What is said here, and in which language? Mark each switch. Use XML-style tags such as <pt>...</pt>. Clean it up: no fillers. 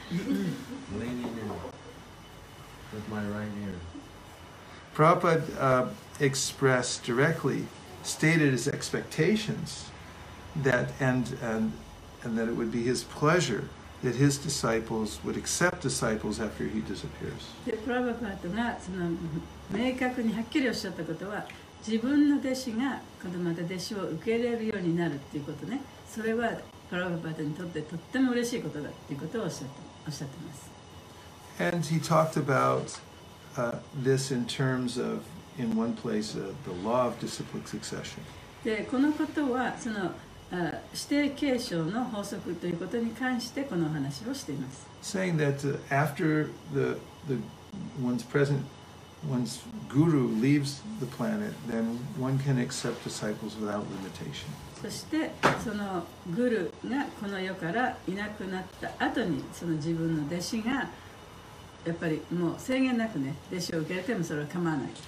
<en>Leaning in. With my right ear. Prabhupada expressed directly, stated his expectations that and that it would be his pleasure that his disciples would accept disciples after he disappears.</en> <ja>で、プラバパートがその明確にはっきりおっしゃったことは、自分の弟子がこのまた弟子を受け入れるようになるっていうことね。それはプラバパートにとってとっても嬉しいことだっていうことをおっしゃってます。</ja> <en>And he talked about this in terms of, in one place, the law of disciplic succession.</en> <ja>で、このことはその指定継承の法則ということに関してこのお話をしています。</ja> <en>saying that after the one's present one's guru leaves the planet then one can accept disciples without limitation.</en> <ja>そしてそのグルがこの世からいなくなった後にその自分の弟子がやっぱりもう制限なくね弟子を受け入れてもそれは構わない。</ja>